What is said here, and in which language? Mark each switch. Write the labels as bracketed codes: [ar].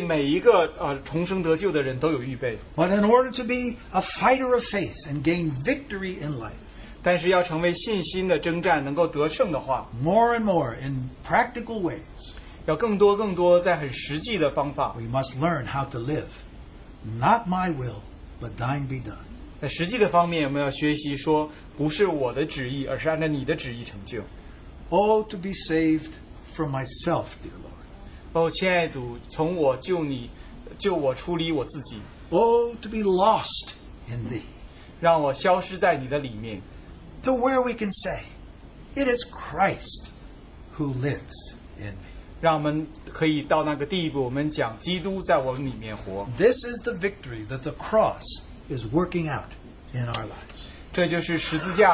[zh] 那个能够得胜的生命为每一个重生得救的人都有预备。 [en] But in order to be a fighter of faith and gain victory in life, [zh] 但是要成为信心的征战能够得胜的话, [en] more and more in practical ways, [zh] 要更多更多在很实际的方法, [en] we must learn how to live, not my will, but thine be done. [zh] 在实际的方面我们要学习说, 不是我的旨意, 而是按照你的旨意成就。 [en] Oh, to be saved from myself, dear Lord. [zh] 哦,亲爱的主, 从我救你, 救我出离我自己。 [en] Oh, to be lost in thee. [zh] 让我消失在你的里面。 [en] To where we can say, it is Christ who lives in me. [zh] 让我们可以到那个地步, 我们讲基督在我们里面活。 [en] This is the victory that the cross is working out in our lives.